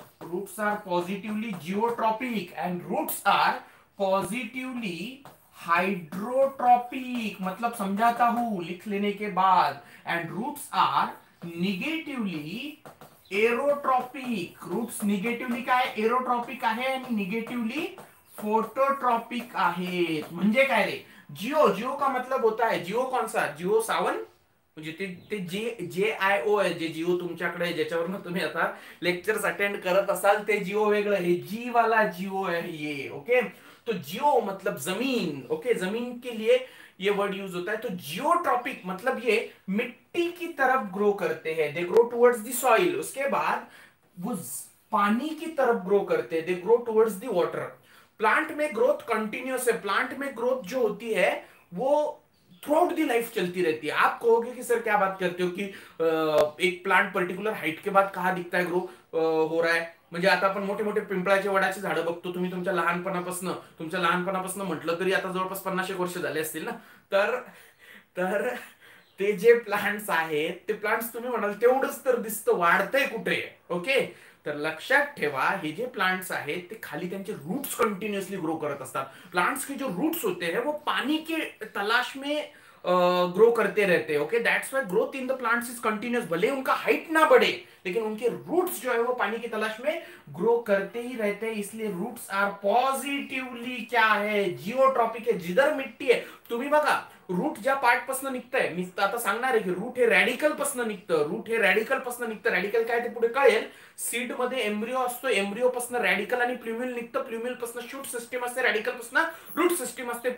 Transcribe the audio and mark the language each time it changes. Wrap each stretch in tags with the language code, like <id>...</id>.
<en>Roots are positively geotropic and roots are positively hydrotropic.</en> <hi>मतलब समझाता हूं लिख लेने के बाद.</hi> <en>And roots are negatively aerotropic.</en> <mr>Roots negatively काय आहे, एरोट्रॉपिक आहे, आणि निगेटिवली फोटोट्रॉपिक आहेत. म्हणजे काय रे,</mr> <hi>जिओ जिओ का मतलब होता है, जिओ कौन सा, जिओ सावन,</hi> <mr>म्हणजे ते जे जे आय ओ आहे, जे जिओ तुमच्याकडे ज्याच्यावरून तुम्ही आता लेक्चर्स अटेंड करत असाल ते जिओ वेगळं, हे जी वाला जिओ आहे ये.</mr> <hi>ओके, तो जिओ मतलब जमीन. ओके, जमीन के लिए ये वर्ड यूज होता है। तो जियोट्रॉपिक मतलब ये मिट्टी की तरफ ग्रो करते हैं,</hi> <en>They grow towards the soil.</en> <hi>उसके बाद वो पानी की तरफ ग्रो करते हैं,</hi> <en>They grow towards the water.</en> <hi>Plant में ग्रोथ कंटिन्यूअस है, प्लांट में ग्रोथ जो होती है वो थ्रू आउट दी लाइफ चलती रहती है। आप कहोगे कि सर क्या बात करते हो कि एक प्लांट पर्टिकुलर हाइट के बाद कहाँ दिखता है ग्रो हो रहा है।</hi> <mr>म्हणजे आता आपण मोठे मोठे पिंपळाचे वडाचे झाडं बघतो, तुम्ही तुमच्या लहानपणापासून म्हटलं तरी आता जवळपास 50-एक वर्ष झाले असतील ना, तर ते जे प्लांट्स आहेत ते प्लांट्स तुम्ही म्हणाल तेवढंच तर दिसतं, वाढतंय कुठे? ओके, तर लक्षात ठेवा हे जे प्लांट्स आहेत ते खाली त्यांचे रूट्स कंटिन्युअसली ग्रो करत असतात।</mr> <hi>प्लांट्स के जो रूट्स होते हैं वो पानी के तलाश में ग्रो करते रहते हैं। Okay,</hi> <en>That's why growth in the plants is continuous.</en> <hi>भले उनका हाइट ना बढ़े लेकिन उनके रूट्स जो है वो पानी की तलाश में ग्रो करते ही रहते हैं। इसलिए रूट्स आर पॉजिटिवली क्या है, जियोट्रॉपिक है। जिधर मिट्टी है</hi> <mr>तुम्ही बघा, रूट ज्या पार्ट पासून निघत आहे, मी आता सांगणार आहे की रूट हे रॅडिकल पासून निघतं, रूट हे रॅडिकल पासून निघतं। रॅडिकल काय ते पुढे कळेल। सीड मध्ये एम्ब्रियो असतो, एम्ब्रियो पासून रॅडिकल आणि प्लुम्युल निघतं, प्लुम्युल पासून शूट सिस्टीम असते, रॅडिकल पासून रूट सिस्टीम असते।</mr>